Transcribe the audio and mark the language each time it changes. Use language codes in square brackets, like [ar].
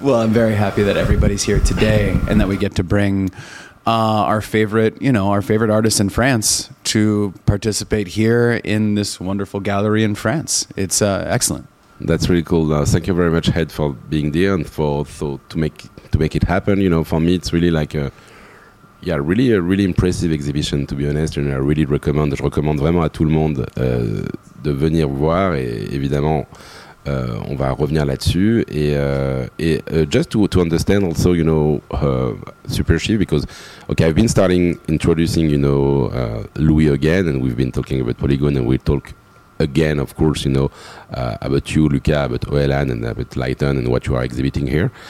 [en] Well, I'm very happy that everybody's here today and that we get to bring our favorite artists in France to participate here in this wonderful gallery in France. It's excellent. That's really cool. Thank you very much, Ed, for being there and to make it happen. You know, for me, it's really like a really impressive exhibition, to be honest. And I really recommend. [fr] Je recommande vraiment à tout le monde de venir voir. Et évidemment, on va revenir là-dessus. Et [en] just to understand also, you know, Superchief, because okay, I've been starting introducing, you know, Louis again, and we've been talking about Polygon, and we'll talk again, of course, you know, about you, Luca, about Oelan, and about Lighton, and what you are exhibiting here.